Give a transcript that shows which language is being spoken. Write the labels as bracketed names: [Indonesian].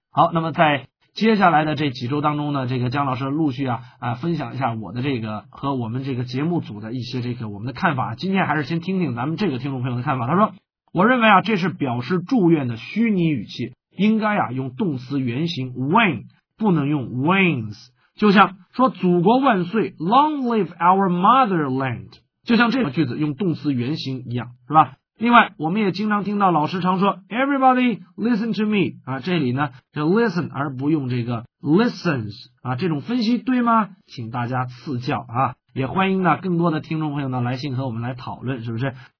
[Chinese] 好，那么在接下来的这几周当中呢，这个江老师陆续啊分享一下我的这个和我们这个节目组的一些这个我们的看法。今天还是先听听咱们这个听众朋友的看法。他说，我认为啊，这是表示祝愿的虚拟语气，应该啊用动词原形 win， 不能用 wins。就像说祖国万岁 ， [English] Long live our motherland。 [Chinese] 就像这个句子用动词原形一样，是吧？另外我们也经常听到老师常说 [English] Everybody listen to me [Chinese] 啊，这里呢就 listen 而不用这个 listens 啊，这种分析对吗？请大家赐教啊，也欢迎呢更多的听众朋友呢来信和我们来讨论，是不是？